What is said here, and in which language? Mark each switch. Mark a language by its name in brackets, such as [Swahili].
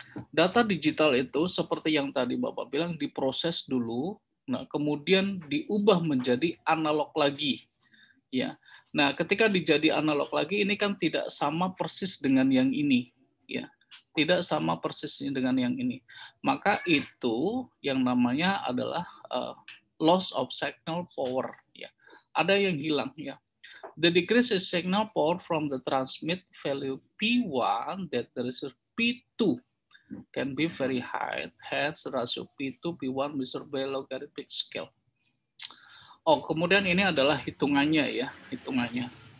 [Indonesian] Data digital itu seperti yang tadi Bapak bilang diproses dulu, nah, kemudian diubah menjadi analog lagi. Ya. Nah, ketika dijadi analog lagi ini kan tidak sama persis dengan yang ini, ya. Tidak sama persis dengan yang ini. Maka itu yang namanya adalah loss of signal power, ya. Ada yang hilang, ya. [English] The decrease in signal power from the transmit value P1 that the receiver P2 can be very high. Hence ratio P2 P1 measured by logarithmic scale. [Indonesian] Oh, kemudian ini adalah hitungannya ya, hitungannya.